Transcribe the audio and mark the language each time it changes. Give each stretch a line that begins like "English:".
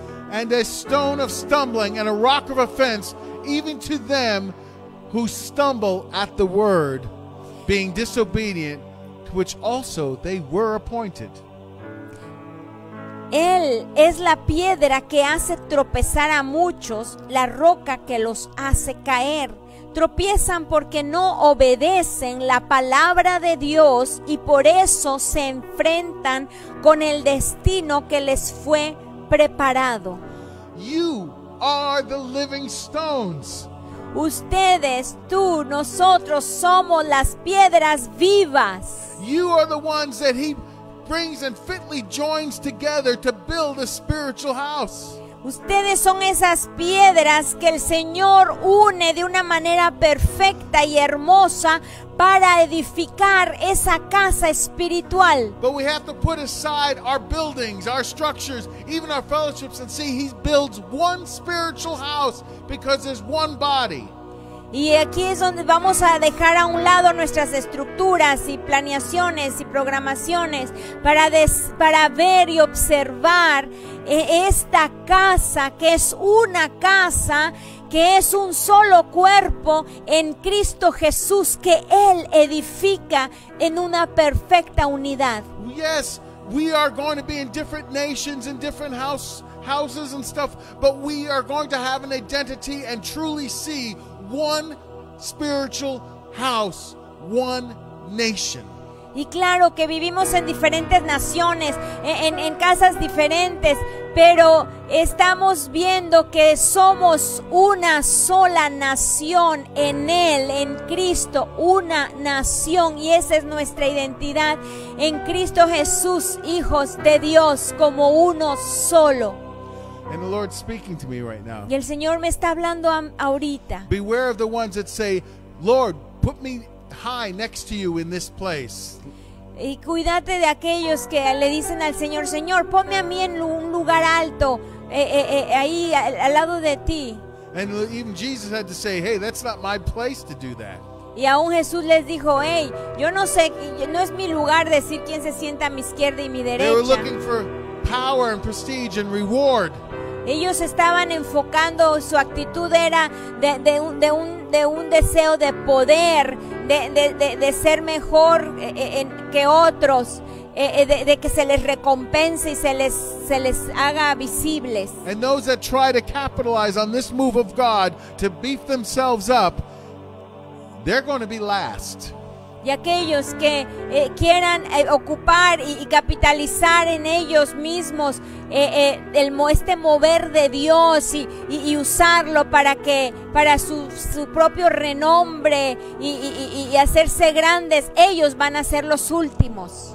English: And a stone of stumbling and a rock of offense, even to them who stumble at the word, being disobedient, to which also they were appointed.
Spanish: Él es la piedra que hace tropezar a muchos, la roca que los hace caer. Tropiezan porque no obedecen la palabra de Dios y por eso se enfrentan con el destino que les fue preparado.
English: You are the living stones.
Spanish: Ustedes, tú, nosotros somos las piedras vivas.
English: You are the ones that he brings and fitly joins together to build a spiritual house.
Spanish: Ustedes son esas piedras que el Señor une de una manera perfecta y hermosa para edificar esa casa espiritual.
English: But we have to put aside our buildings, our structures, even our fellowships, and see he builds one spiritual house because there's one body.
Spanish: Y aquí es donde vamos a dejar a un lado nuestras estructuras y planeaciones y programaciones para ver y observar esta casa, que es una casa, que es un solo cuerpo en Cristo Jesús, que Él edifica en una perfecta unidad.
English: Yes, we are going to be in different nations and different houses and stuff, but we are going to have an identity and truly see one spiritual house, one nation.
Spanish: Y claro que vivimos en diferentes naciones, en casas diferentes, pero estamos viendo que somos una sola nación en Él, en Cristo, una nación, y esa es nuestra identidad en Cristo Jesús, hijos de Dios, como uno solo.
English: And the Lord's speaking to me right now.
Spanish: Y el Señor me está hablando ahorita.
English: Beware of the ones that say, Lord, put me high next to you in this place.
Spanish: Y cuídate de aquellos que le dicen al Señor, Señor, ponme a mí en un lugar alto, ahí al lado de ti.
English: And even Jesus had to say, hey, that's not my place to do that.
Spanish: Y aún Jesús les dijo, hey, yo no sé, no es mi lugar decir quién se sienta a mi izquierda y mi derecha.
English: They were looking for power and prestige and reward.
Spanish: Ellos estaban enfocando, su actitud era de un deseo de poder, de ser mejor que otros, de que se les recompense y se les haga visibles.
English: And those that try to capitalize on this move of God to beef themselves up, they're going to be last.
Spanish: Y aquellos que quieran ocupar y capitalizar en ellos mismos este mover de Dios y usarlo para su propio renombre y hacerse grandes, ellos van a ser los últimos.